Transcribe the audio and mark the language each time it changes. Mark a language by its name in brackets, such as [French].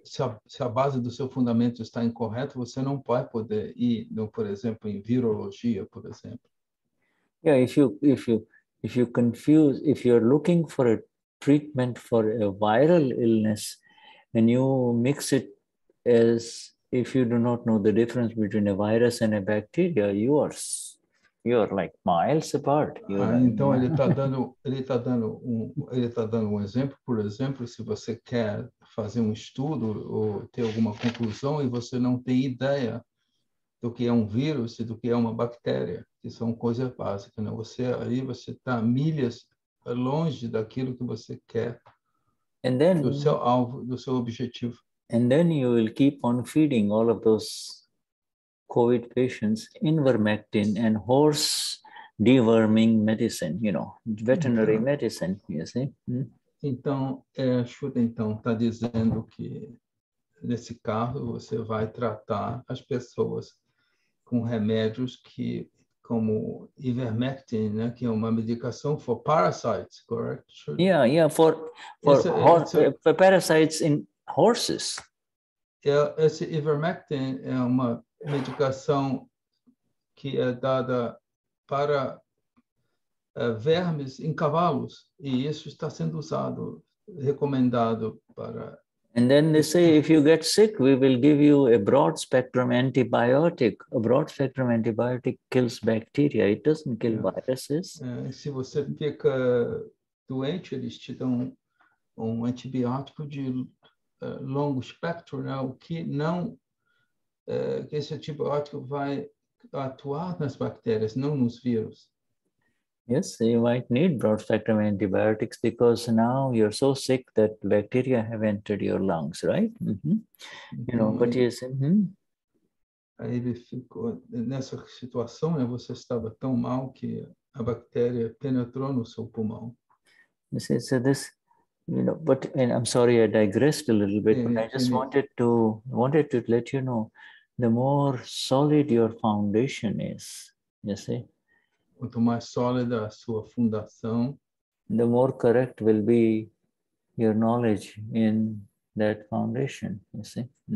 [Portuguese] Se a base do seu fundamento está incorreto, você não vai poder ir, no, por exemplo, em virologia, por exemplo. [English] Yeah, if you confuse, if you're looking for a treatment for a viral illness, and you mix it as if you do not know the difference between a virus and a bacteria, you are like miles apart. [Portuguese] Então ele tá dando um exemplo, por exemplo, se você quer fazer um estudo ou ter alguma conclusão e você não tem ideia do que é um vírus e do que é uma bactéria, que são coisas básicas, né? Você está milhas longe daquilo que você quer, [English] and then, [Portuguese] do seu alvo, do seu objetivo. [English] And then you will keep on feeding all of those COVID patients ivermectin and horse deworming medicine, you know, veterinary medicine, you see. [Portuguese] Então, Shuddha, então, está dizendo que nesse caso você vai tratar as pessoas com remédios que, como ivermectin, né, que é uma medicação [English] for parasites, correct? Shuddha? Yeah, for parasites in horses. [Portuguese] Esse ivermectin é uma medicação que é dada para vermes em cavalos, e isso está sendo usado, recomendado para. [English] And then they say, if you get sick, we will give you a broad spectrum antibiotic. A broad spectrum antibiotic kills bacteria, it doesn't kill viruses. [Portuguese] Se você fica doente, eles te dão um antibiótico de longo espectro, né? O que não. Que esse antibiótico vai atuar nas bactérias, não nos vírus. [English] Yes, you might need broad spectrum antibiotics because now you're so sick that bacteria have entered your lungs, right? Mm-hmm. You know, but you say, [Portuguese] Aí ele ficou nessa situação, né? Você estava tão mal que a bactéria penetrou no seu pulmão. [English] You see, so this, you know, but and I'm sorry I digressed a little bit, but I just wanted to let you know, the more solid your foundation is, you see. [Portuguese] Quanto mais sólida a sua fundação, [English] the more correct will be your knowledge in that foundation, you see.